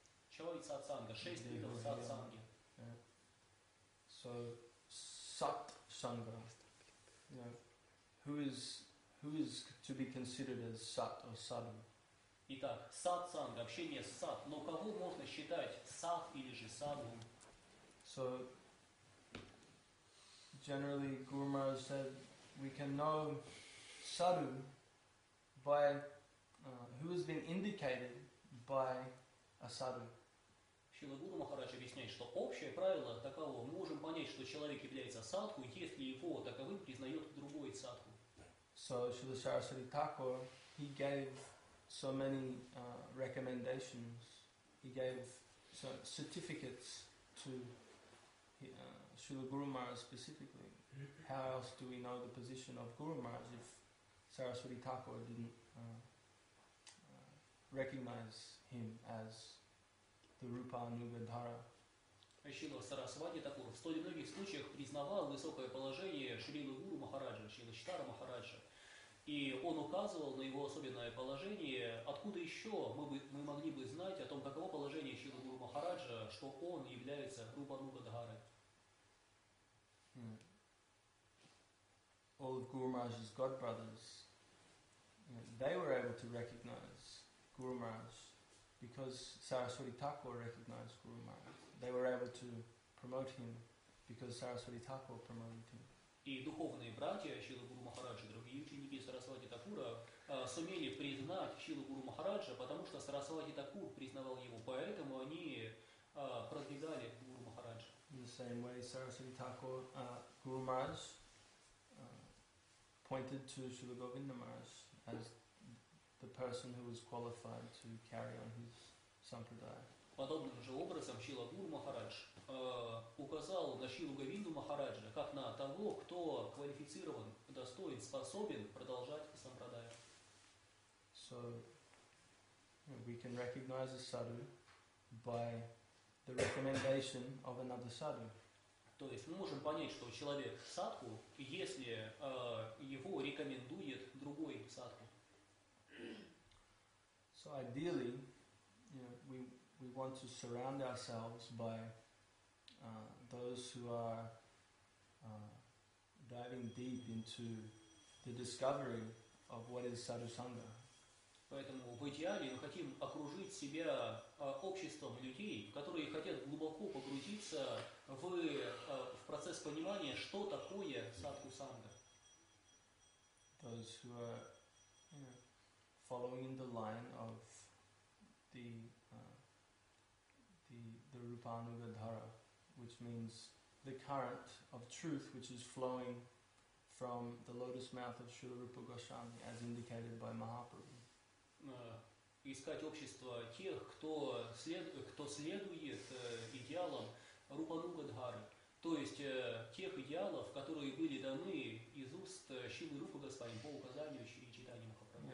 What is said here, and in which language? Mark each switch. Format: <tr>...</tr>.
<ru>Чой Сатсанга, шесть видов Сатсанги.</ru> <en>So, Сатсанга. Who is to be considered as Sat or Sadhu?</en> <ru>Итак, сатсанг, общение с сад. Но кого можно считать сад или же саду?</ru> <en>So, generally, Guru Maharaj said, we can know sadhu by who has been indicated by a sadhu.</en> <ru>Шрила Гуру Махарадж объясняет, что общее правило таково. Мы можем понять, что человек является садху, если его таковым признает другой садху.</ru> <en>So, Шрила Сарасвати Такур, he gave so many recommendations. He gave certificates to Srila Guru Maharaj specifically. How else do we know the position of Guru Maharaj if Saraswati Thakur didn't recognize him as the Rupa Nugadhara?</en> <ru>Шрила Сарасвати Такур в столь многих случаях признавал высокое положение Шрилы Гуру Махараджа, Шрилы Читара Махараджа. И он указывал на его особенное положение. Откуда еще мы могли бы знать о том, каково положение Шрилы Гуру Махараджа, что он является Рупа Нугадхарой?</ru> <en>All of Guru Maharaj's god brothers, they were able to recognize Guru Maharaj because Saraswati Thakur recognized Guru Maharaj. They were able to promote him because Saraswati Thakur promoted him.</en> <ru>И духовные братья Шрилы Гуру Махараджа, другие ученики Сарасвати Такура, сумели признать Шрилу Гуру Махараджа, потому что Сарасвати Такур признавал его. Поэтому они продвигали Гуру Махараджа.</ru> <en>In the same way, Сарасвати Такур, Гуру Махарадж, pointed to Шрила Говинда Махарадж as the person who was qualified to carry on his sampradaya.</en> <ru>Подобным же образом Шрила Гуру Махарадж указал на Шрилу Говинду Махараджа как на того, кто квалифицирован, достоин, способен продолжать сампрадаю.</ru> <en>So we can recognize a sadhu by the recommendation of another sadhu.</en> <ru>То есть мы можем понять, что человек садху, если его рекомендует другой садху.</ru> <en>So ideally, we want to surround ourselves by those who are diving deep into the discovery of what is Sadhusanga.</en> <ru>Поэтому в идеале мы хотим окружить себя обществом людей, которые хотят глубоко погрузиться в процесс понимания, что такое садху-санга.</ru> <en>Those who are following the line of the Rupanuga Dhara, which means the current of truth which is flowing from the lotus mouth of Śrīla Rūpa Gosvāmī, as indicated by Mahāprabhu.</en> <ru>Искать общество тех, кто следует идеалам Рупануга Дхары, то есть тех идеалов, которые были даны из уст Шилы Рупа Господня по указанию и читанию Махапрабху.</ru>